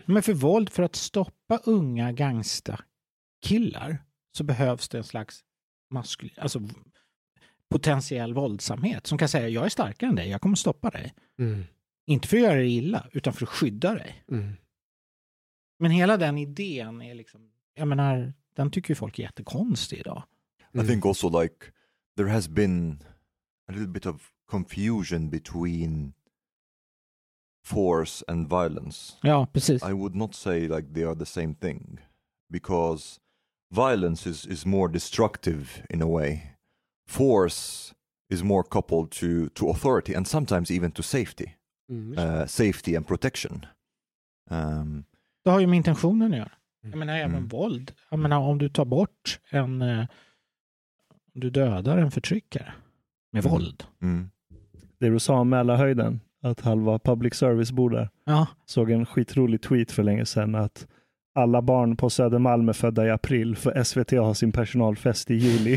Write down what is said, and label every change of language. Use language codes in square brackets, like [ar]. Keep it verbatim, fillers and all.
[sv] Men för våld, för att stoppa unga gangsterkillar, så behövs det en slags maskul- alltså potentiell våldsamhet som kan säga, jag är starkare än dig, jag kommer stoppa dig. Mm. Inte för att göra dig illa, utan för att skydda dig. Mm. Men hela den idén är liksom, jag menar, den tycker ju folk är jättekonstig idag. [en] Mm. I think also like there has been a little bit of confusion between force and violence. [sv] Ja, precis. [en] I would not say like they are the same thing, because violence is, is more destructive in a way. Force is more coupled to, to authority and sometimes even to safety. Mm. Uh, safety and protection. Um, [sv] det har ju med intentionen att göra. Jag menar, även mm. våld. Jag menar, om du tar bort en... Eh, du dödar en förtryckare med mm. våld. Mm. Det du sa om Mälarhöjden, att halva public service bor där. Ja. Såg en skitrolig tweet för länge sedan att alla barn på Södermalm är födda i april, för S V T har sin personalfest i juli.